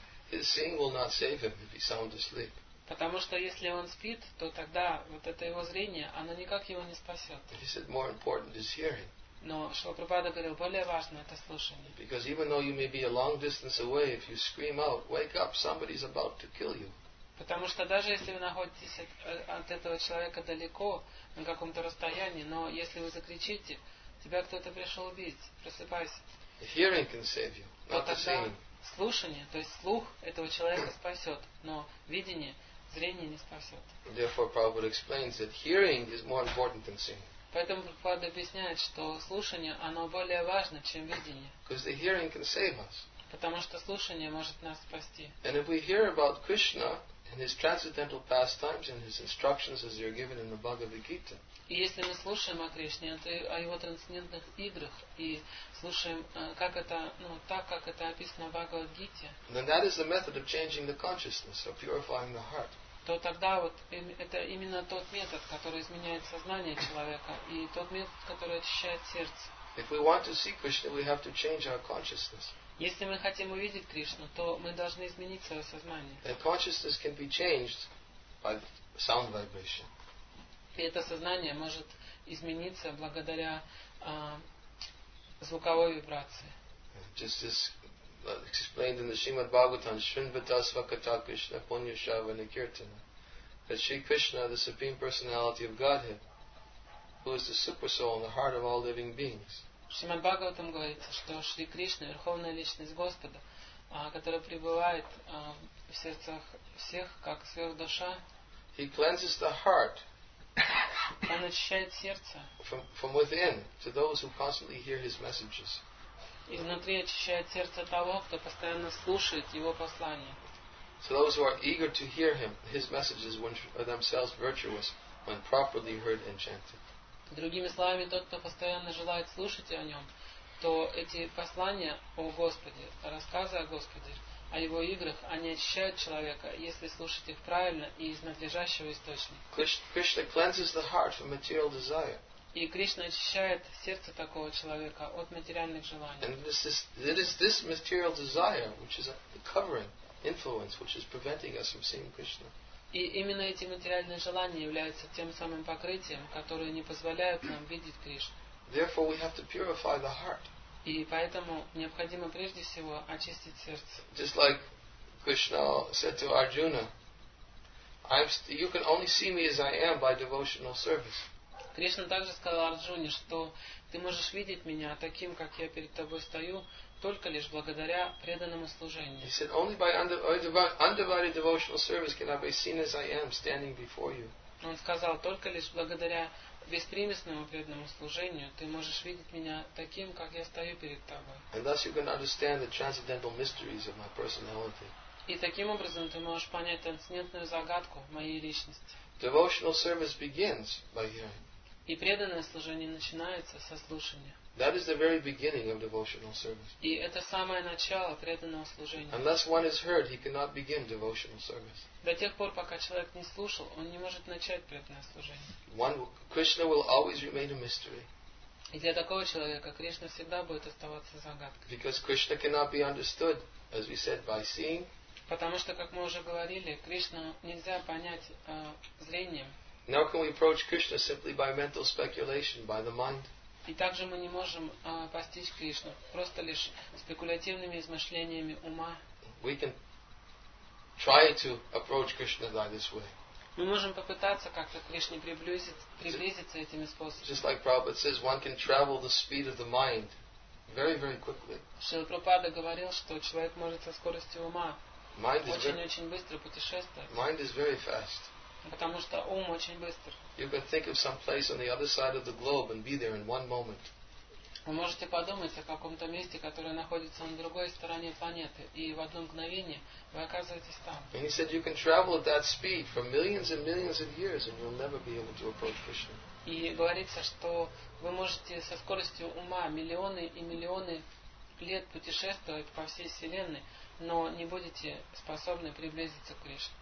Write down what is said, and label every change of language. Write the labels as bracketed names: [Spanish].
[English] His seeing will not save him if he's sound asleep. [Russian] Потому что если он спит, то тогда вот это его зрение, оно никак его не спасет. [English] He said more important is hearing. [Russian] Но Шрила Прабхупада говорил, более важно это слушание. [English] Because even though you may be a long distance away, if you scream out, "Wake up, somebody's about to kill you." [Russian] Потому что даже если вы находитесь от этого человека далеко, на каком-то расстоянии, но если вы закричите, тебя кто-то пришел убить, просыпайся. [English] Hearing can save you, not the seeing. [Russian] Слушание, то есть слух этого человека спасет, но видение, зрение не спасет. [English] Therefore, Prabhupada explains that hearing is more important than seeing. [Russian] Поэтому Прабхупада объясняет, что слушание, оно более важно, чем видение. [English] Because the hearing can save us. [Russian] Потому что слушание может нас спасти. [English] And if we hear about Krishna and his transcendental pastimes and his instructions as they are given in the Bhagavad Gita. [Russian] И если мы слушаем о Кришне, о его трансцендентных играх и слушаем, как это, ну, так как это описано в Бхагавад Гите. [English] Then that is the method of changing the consciousness or purifying the heart. [Russian] То тогда вот это именно тот метод, который изменяет сознание человека и тот метод, который очищает сердце. [English] If we want to see Krishna, we have to change our consciousness. [Russian] Если мы хотим увидеть Кришну, то мы должны изменить свое сознание. [English] And consciousness can be changed by sound vibration. [Russian] И это сознание может измениться благодаря звуковой вибрации. [English] Just as explained in the Srimad Bhagavatam, [Sanskrit] Shrinvatasva Katakrishna Punyashava Nikirtana, [English] that Sri Krishna, the Supreme Personality of Godhead, who is the Super Soul in the heart of all living beings. [Russian] Шримад Бхагаватам говорится, что Шри Кришна, Верховная Личность Господа, которая пребывает в сердцах всех, как сверхдуша, [English] He cleanses the heart [Russian] Он очищает сердце [English] from within to those who constantly hear His messages. [Russian] И внутри очищает сердце того, кто постоянно слушает Его послания. [English] So those who are eager to hear Him, His messages, when are themselves virtuous, when properly heard and chanted. [Russian] Другими словами, тот, кто постоянно желает слушать о нем, то эти послания о Господе, рассказы о Господе, о его играх, они очищают человека, если слушать их правильно и из надлежащего источника. [English] Krishna cleanses the heart from material desire. [Russian] И Кришна очищает сердце такого человека от материальных желаний. [English] And it is this material desire, which is a covering influence, which is preventing us from seeing Krishna. [Russian] И именно эти материальные желания являются тем самым покрытием, которое не позволяет нам видеть Кришну. [English] Therefore, we have to purify the heart. [Russian] И поэтому необходимо прежде всего очистить сердце. [English] Just like Krishna said to Arjuna, you can only see me as I am by devotional service. [Russian] Кришна также сказал Арджуне, что ты можешь видеть меня таким, как я перед тобой стою, только лишь благодаря преданному служению. [English] He said, only by undivided devotional service can I be seen as I am, standing before you. [Russian] Он сказал, только лишь благодаря беспримесному преданному служению ты можешь видеть меня таким, как я стою перед тобой. [English] And thus you can understand the transcendental mysteries of my personality. [Russian] И таким образом ты можешь понять трансцендентную загадку моей личности. [English] Devotional service begins by hearing. [Russian] И преданное служение начинается со слушания. [English] That is the very beginning of devotional service. [Russian] И это самое начало преданного служения. [English] Unless one is heard, he cannot begin devotional service. [Russian] До тех пор, пока человек не слушал, он не может начать преданное служение. [English] Krishna will always remain a mystery. [Russian] И для такого человека Кришна всегда будет оставаться загадкой. [English] Because Krishna cannot be understood, as we said, by seeing. [Russian] Потому что, как мы уже говорили, Кришну нельзя понять зрением. [English] Now can we approach Krishna simply by mental speculation, by the mind? [Russian] И также мы не можем постичь Кришну просто лишь спекулятивными измышлениями ума. [English] We can try to approach Krishna by this way. [Russian] Мы можем попытаться как-то к Кришне приблизиться этими способами. [English] Just like Prabhupada says, one can travel the speed of the mind very, very quickly. [Russian] Шрила Прабхупада говорил, что человек может со скоростью ума очень-очень быстро путешествовать. [English] Mind is very fast. [Russian] Потому что ум очень быстр. [English] You can think of some place on the other side of the globe and be there in one moment. [Russian] Вы можете подумать о каком-то месте, которое находится на другой стороне планеты, и в одно мгновение вы оказываетесь там. [English] And he said you can travel at that speed for millions and millions of years and you'll never be able to approach Krishna. [Russian] И говорится, что вы можете со скоростью ума миллионы и миллионы лет путешествовать по всей вселенной, но не будете способны приблизиться к Кришне.